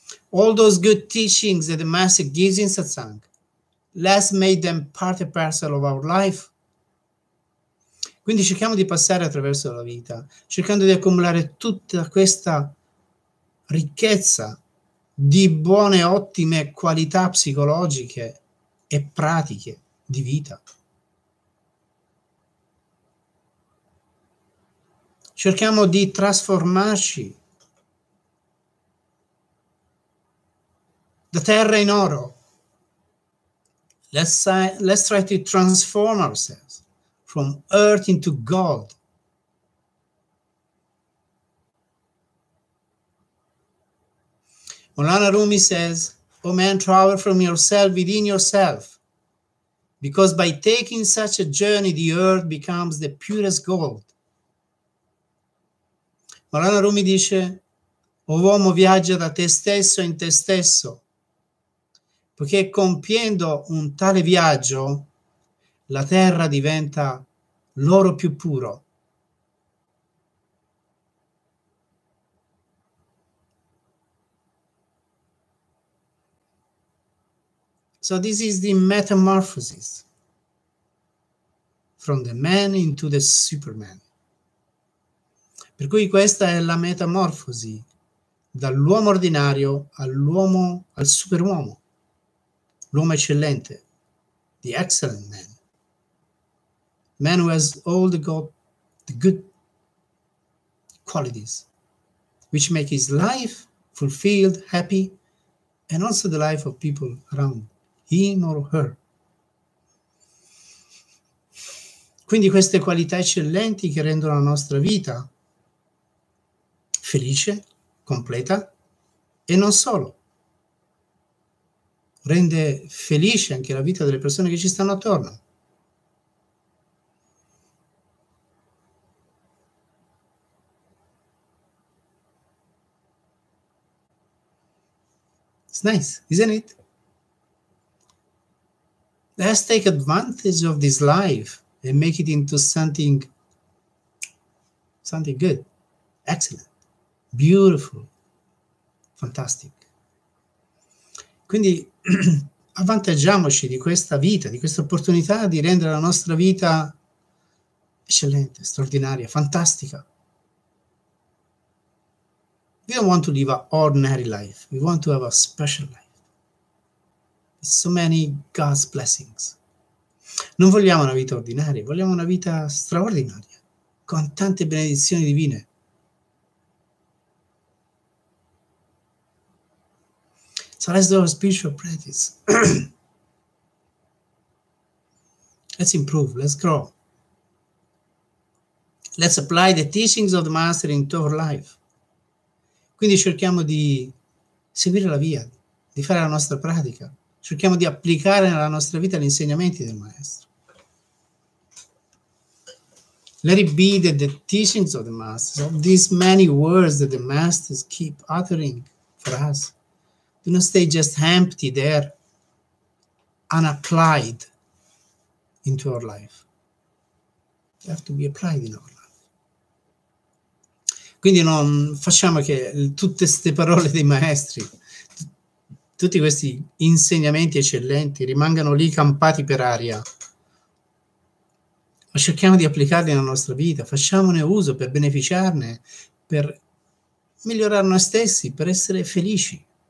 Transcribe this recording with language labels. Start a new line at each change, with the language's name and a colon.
English: All those good teachings that the Master gives in satsang, let's make them part and parcel of our life.
Italian: Quindi cerchiamo di passare attraverso la vita, cercando di accumulare tutta questa ricchezza di buone, ottime qualità psicologiche e pratiche di vita. Cerchiamo di trasformarci da terra in oro.
English: Let's try to transform ourselves from earth into gold. Maulana Rumi says, O man, travel from yourself within yourself, because by taking such a journey, the earth becomes the purest gold.
Italian: Maulana Rumi dice, O uomo, viaggia da te stesso in te stesso, poiché compiendo un tale viaggio, la terra diventa l'oro più puro.
English: So this is the metamorphosis from the man into the superman.
Italian: Per cui questa è la metamorfosi dall'uomo ordinario all'uomo, al superuomo, l'uomo eccellente,
English: the excellent man. Man who has all the good qualities which make his life fulfilled, happy, and also the life of people around him or her.
Italian: Quindi queste qualità eccellenti che rendono la nostra vita felice, completa, e non solo. Rende felice anche la vita delle persone che ci stanno attorno.
English: It's nice, isn't it? Let's take advantage of this life and make it into something good, excellent, beautiful, fantastic.
Italian: Quindi avvantaggiamoci di questa vita, di questa opportunità di rendere la nostra vita eccellente, straordinaria, fantastica.
English: We don't want to live an ordinary life. We want to have a special life. With so many God's blessings.
Italian: Non vogliamo una vita ordinaria, vogliamo una vita straordinaria, con tante benedizioni divine.
English: So let's do a spiritual practice. Let's improve, let's grow. Let's apply the teachings of the Master into our life.
Italian: Quindi cerchiamo di seguire la via, di fare la nostra pratica. Cerchiamo di applicare nella nostra vita gli insegnamenti del Maestro.
English: Let it be that the teachings of the Master, of these many words that the Masters keep uttering for us, do not stay just empty there, unapplied into our life. have to be applied in our life.
Italian: Quindi non facciamo che tutte queste parole dei maestri, tutti questi insegnamenti eccellenti rimangano lì campati per aria, ma cerchiamo di applicarli nella nostra vita, facciamone uso per beneficiarne, per migliorare noi stessi, per essere felici.